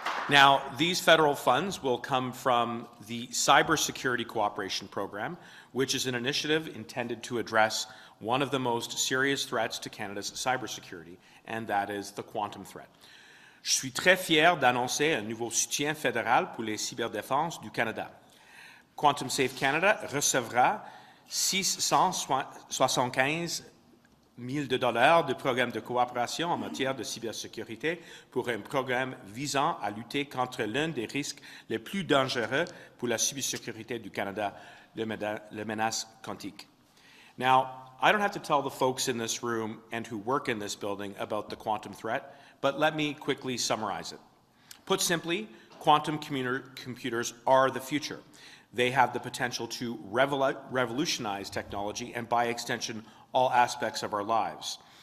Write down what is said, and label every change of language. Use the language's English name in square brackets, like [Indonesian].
[English] Now, these federal funds will come from the Cybersecurity Cooperation Program, which is an initiative intended to address one of the most serious threats to Canada's cybersecurity, and that is the quantum threat. [French] Je suis très fier d'annoncer un nouveau soutien fédéral pour les cyberdéfenses du Canada. Quantum Safe Canada recevra $675,000 de programme de coopération en matière de cybersécurité pour un programme visant à lutter contre l'un des risques les plus dangereux pour la cybersécurité du Canada, la menace quantique. [English] Now, I don't have to tell the folks in this room and who work in this building about the quantum threat, but let me quickly summarize it. Put simply, quantum computers are the future. They have the potential to revolutionize technology and, by extension, all aspects of our lives.